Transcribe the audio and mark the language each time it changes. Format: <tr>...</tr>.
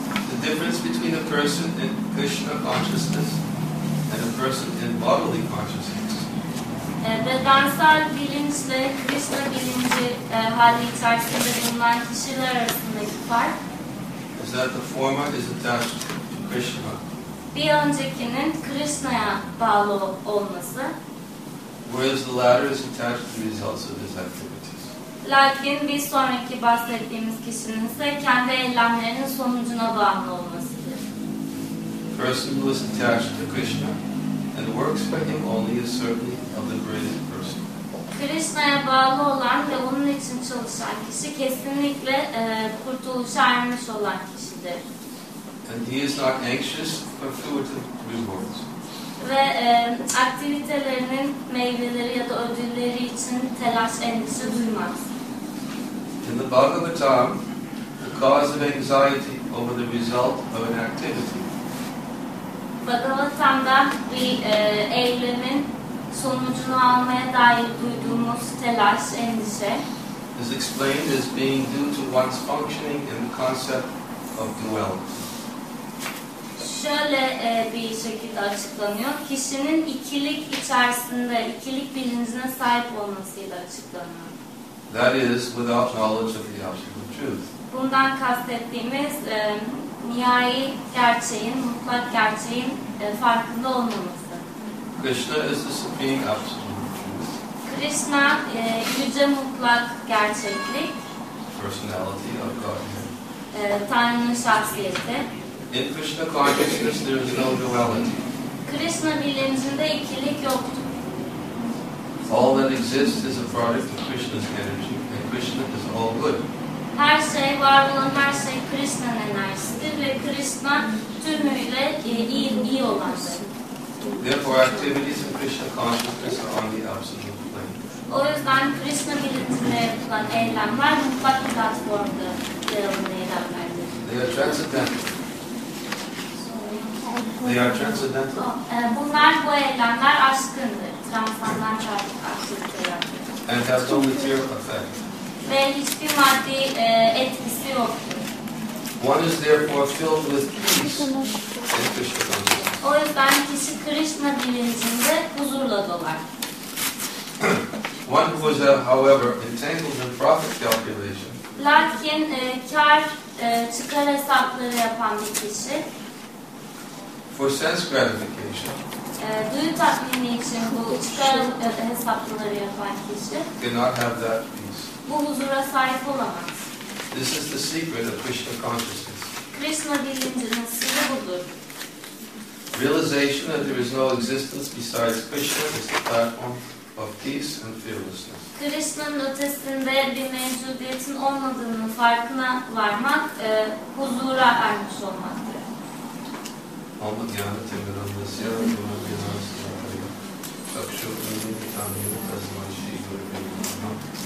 <en>The difference between a person in Krishna consciousness and a person in bodily consciousness.</en> <tr>Bedensel bilinçle Krishna bilinci hali içerisinde bulunan kişiler arasındaki fark.</tr> <en>Is that the former is attached to Krishna.</en> <tr>Bir öncekinin Krishna'ya bağlı olması.</tr> <en>Whereas the latter is attached to the results of his activities.</en> <tr>Lakin bir sonraki bahsettiğimiz kişinin ise kendi eylemlerinin sonucuna bağlı olmasıdır.</tr> <en>Person who is attached to Krishna and works for him only is certainly a liberated person.</en> <tr>Krishna'ya bağlı olan ve onun için çalışan kişi kesinlikle kurtuluşa ermiş olan kişidir.</tr> <en>And he is not anxious for fruitive rewards.</en> <tr>Ve aktivitelerinin meyveleri ya da ödülleri için telaş endişe duymaz.</tr> <en>In the Bhagavatam, the cause of anxiety over the result of an activity.</en> <tr>Bhagavatam'da bir eylemin sonucunu almaya dair duyduğumuz telaş endişe.</tr> <en>Is explained as being due to one's functioning in the concept of duality.</en> <tr>Şöyle bir şekilde açıklanıyor. Kişinin ikilik içerisinde, ikilik bilincine sahip olmasıyla açıklanıyor.</tr> <en>That is without knowledge of the absolute truth.</en> <tr>Bundan kastettiğimiz nihai gerçeğin, mutlak gerçeğin farkında olmaması.</tr> <en>Krishna is the supreme absolute truth.</en> <tr>Krishna yüce mutlak gerçeklik.</tr> <en>Personality of God.</en> <tr>Tanrı'nın şahsiyeti.</tr> <en>In Krishna consciousness, there is no duality.</en> <tr>Krishna bilincinde ikilik yoktur.</tr> <en>All that exists is a product of Krishna's energy, and Krishna is all good.</en> <tr>Her şey, var olan her şey Krishna'nın enerjisidir ve Krishna tümüyle iyi olandır.</tr> <en>Therefore, activities in Krishna consciousness are on the absolute plane.</en> <tr>O yüzden Krishna bilincinde yapılan eylemler mutlak platformda yapılan eylemlerdir.</tr> <en>They are transcendental. They are transcendental.</en> <tr>Bunlar bu eylemler aşkındır.</tr> <en>Transcendental</en> <tr>aşkındır.</tr> <en>And has no material effect.</en> <tr>Ve hiçbir maddi etkisi yok.</tr> <en>One is therefore filled with peace in Krishna consciousness.</en> <tr>O yüzden kişi Krishna bilincinde huzurla dolar.</tr> <en>One who is, however, entangled in profit calculation.</en> <tr>Lakin kar çıkar hesapları yapan bir kişi.</tr> <en>For sense gratification.</en> <tr>Duyu tatmini için bu çıkar hesaplamaları yapan kişi.</tr> <en>Cannot have that peace.</en> <tr>Bu huzura sahip olamaz.</tr> <en>This is the secret of Krishna consciousness.</en> <tr>Krishna bilincinin sırrı budur.</tr> <en>realization that there is no existence besides Krishna is the platform of peace and fearlessness.</en> <tr>Krishna'nın ötesinde bir mevcudiyetin olmadığını farkına varmak, huzura ermiş olmaktır. Ama yani temel anlasıya da bunu bir nasıl yapıyor. Bak şu ünlü bir tane yeni kazanan şeyi görüyorum.</tr>